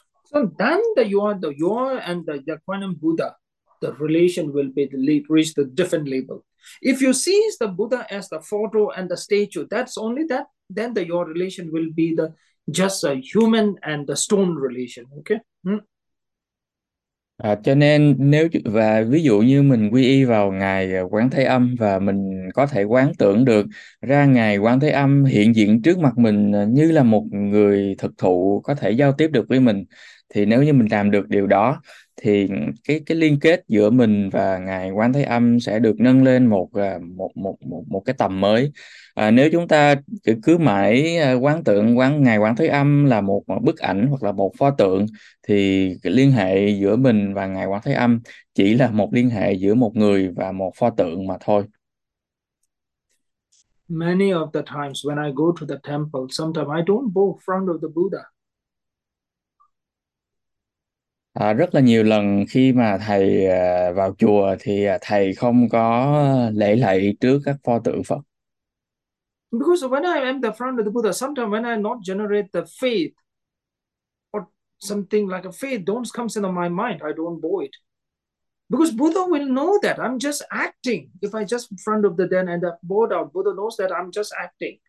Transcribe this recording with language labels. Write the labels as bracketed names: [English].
[English] So then you are and the Gautama Buddha, the relation will be reached a different level. If you see the Buddha as the photo and the statue, that's only that, then the your relation will be the just a human and the stone relation, okay? [Vietnamese] Cho nên nếu và ví dụ như mình quy y vào ngài Quán Thế Âm và mình có thể quán tưởng được ra ngài Quán Thế Âm hiện diện trước mặt mình như là một người thực thụ có thể giao tiếp được với mình, thì nếu như mình làm được điều đó thì cái liên kết giữa mình và ngài Quán Thế Âm sẽ được nâng lên một một một một một cái tầm mới. Nếu chúng ta cứ mãi quán tưởng quán ngài Quán Thế Âm là một bức ảnh hoặc là một pho tượng, thì cái liên hệ giữa mình và ngài Quán Thế Âm chỉ là một liên hệ giữa một người và một pho tượng mà thôi. [English] Many of the times when I go to the temple, sometimes I don't go in front of the Buddha. [Vietnamese] Rất là nhiều lần khi mà thầy vào chùa thì thầy không có lễ lạy trước các pho tượng Phật. [English] Because when I am the front of the Buddha, sometimes when I not generate the faith or something like a faith don't comes into my mind, I don't bow it. Because Buddha will know that I'm just acting. If I just in front of the den and the board out, Buddha knows that I'm just acting.